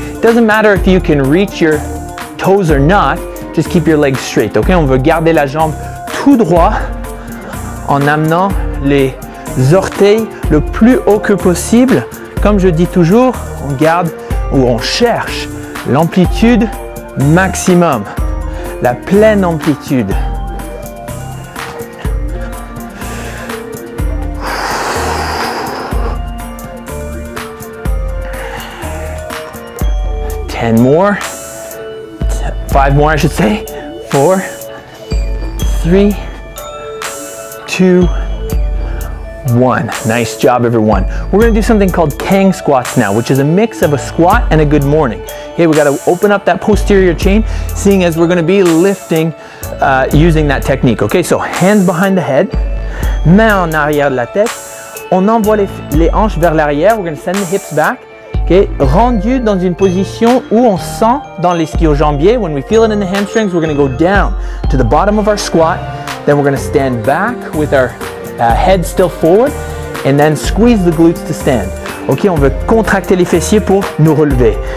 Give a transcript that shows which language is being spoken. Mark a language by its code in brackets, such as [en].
[en] Doesn't matter if you can reach your toes or not. Just keep your legs straight. [fr] Okay, on veut garder la jambe tout droit en amenant les orteils le plus haut que possible. Comme je dis toujours, on garde ou on cherche l'amplitude maximum. La pleine amplitude. [en] Ten more. Five more, I should say. 4, 3, 2, One. Nice job, everyone. We're gonna do something called Kang squats now, which is a mix of a squat and a good morning. Okay, we gotta open up that posterior chain, seeing as we're gonna be lifting using that technique. Okay, so hands behind the head, [fr] main en arrière de la tête. On envoie les hanches vers l'arrière. [en] We're gonna send the hips back. [fr] Okay, rendu dans une position où on sent dans l'ischio jambier. [en] When we feel it in the hamstrings, we're gonna go down to the bottom of our squat. Then we're gonna stand back with our head still forward, and then squeeze the glutes to stand. [fr] Ok, on veut contracter les fessiers pour nous relever.